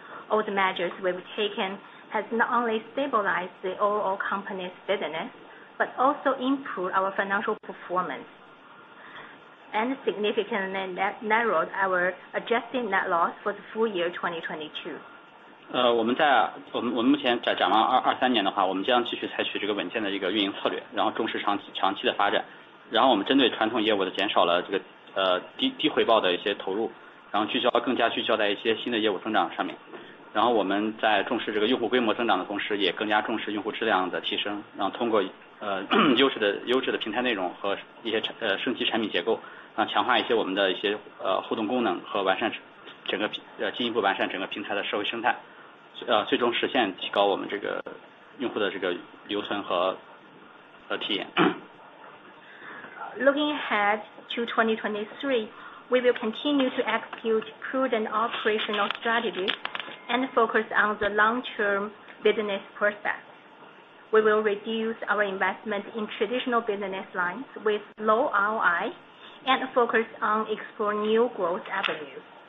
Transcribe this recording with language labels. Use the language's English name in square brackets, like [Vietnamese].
[English] All the measures we've taken has not only stabilized the overall company's business, but also improved our financial performance. And significantly narrowed our adjusted net loss for the full year 2022. [Chinese] 我们目前在展望2023年的话，我们将继续采取这个稳健的一个运营策略，然后重视长期的发展。然后我们针对传统业务的减少了这个低回报的一些投入，然后更加聚焦在一些新的业务增长上面。然后我们在重视这个用户规模增长的同时，也更加重视用户质量的提升，然后通过。优质的平台内容和一些升级产品结构，强化一些我们的一些互动功能和完善整个进一步完善整个平台的社会生态，最终实现提高我们这个用户的这个留存和体验。 [English] Looking ahead to 2023, we will continue to execute prudent operational strategies and focus on the long-term business prospects. We will reduce our investment in traditional business lines with low ROI and focus on exploring new growth avenues.